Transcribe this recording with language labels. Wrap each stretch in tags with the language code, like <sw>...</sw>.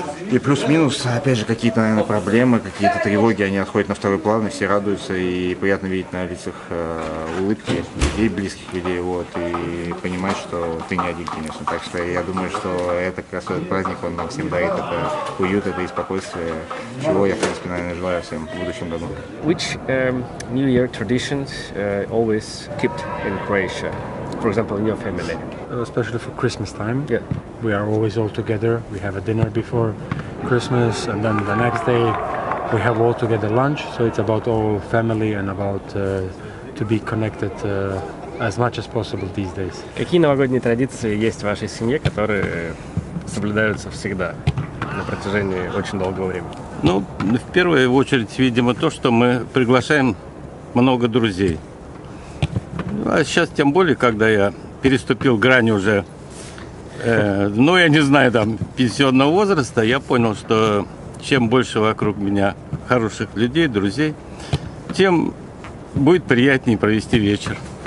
<ru>И плюс-минус, опять же, какие-то, наверное, проблемы, какие-то тревоги, они отходят на второй план, и все радуются, и приятно видеть на лицах улыбки людей, близких людей, вот, и понимать, что ты не один, конечно. Так что я думаю, что это как раз этот праздник, он нам всем дарит, это уют, это и спокойствие, чего я, в принципе, наверное, желаю всем в будущем году.</ru> <en>Which New Year traditions always kept in Croatia? For example, in your family? Especially for Christmas time. Yeah. We are always all together. We have a dinner before Christmas, and then the next day we have all together lunch. So it's about all family and about to be connected as much as possible these days.</en> <ru>Какие новогодние традиции есть в вашей семье, которые соблюдаются всегда на протяжении очень долгого времени? Ну, в первую очередь, видимо, то, что мы приглашаем много друзей. А сейчас тем более, когда я переступил грань уже, ну, я не знаю, там, пенсионного возраста, я понял, что чем больше вокруг меня хороших людей, друзей, тем будет приятнее провести вечер.</ru>